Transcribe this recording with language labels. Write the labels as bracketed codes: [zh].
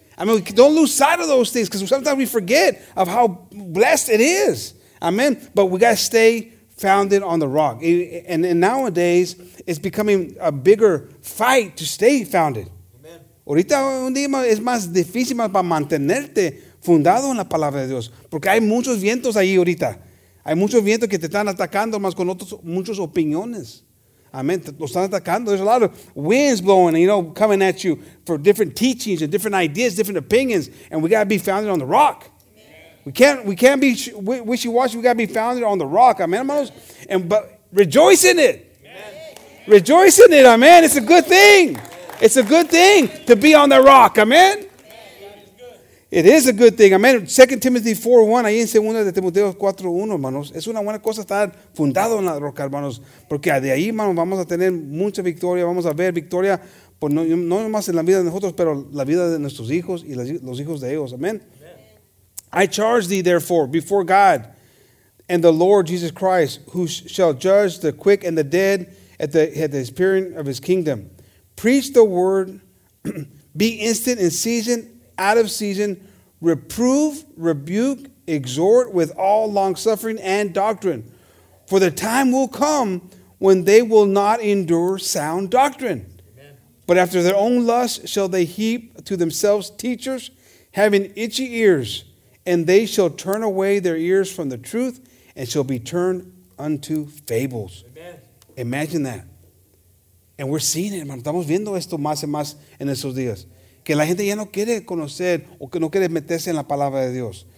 [en] I mean, don't lose sight of those things because sometimes we forget of how blessed it is. Amen. But we got to stay founded on the rock. And nowadays, it's becoming a bigger fight to stay founded. [es] Ahorita un día es más difícil para mantenerte fundado en la palabra de Dios. Porque hay muchos vientos ahí ahorita. Hay muchos vientos que te están atacando más con otros muchos opiniones. Amen. Los están atacando. [en] There's a lot of winds blowing, you know, coming at you for different teachings and different ideas, different opinions, and we got to be founded on the rock. Amen. We can't be wishy-washy. We got to be founded on the rock. Amen, hermanos? And but rejoice in it. Amen. Rejoice in it. Amen. It's a good thing. Amen. It's a good thing to be on the rock. Amen? Amen. It is a good thing. Amen. 2 Timothy 4:1, [es] ahí en 2 de Timoteo 4:1, hermanos. Es una buena cosa estar fundado en la roca, hermanos. Porque de ahí, hermanos, vamos a tener mucha victoria. Vamos a ver victoria, pues no nomás en la vida de nosotros, pero la vida de nuestros hijos y los hijos de ellos. Amen. Amen. [en] I charge thee, therefore, before God and the Lord Jesus Christ, who shall judge the quick and the dead at the appearing of his kingdom. Preach the word, be instant in season, out of season, reprove, rebuke, exhort with all longsuffering and doctrine. For the time will come when they will not endure sound doctrine. Amen. But after their own lust shall they heap to themselves teachers, having itchy ears, and they shall turn away their ears from the truth and shall be turned unto fables. Amen. Imagine that. And we're seeing it, hermano. [es] Estamos viendo esto más y más en esos días. Que la gente ya no quiere conocer o que no quiere meterse en la palabra de Dios.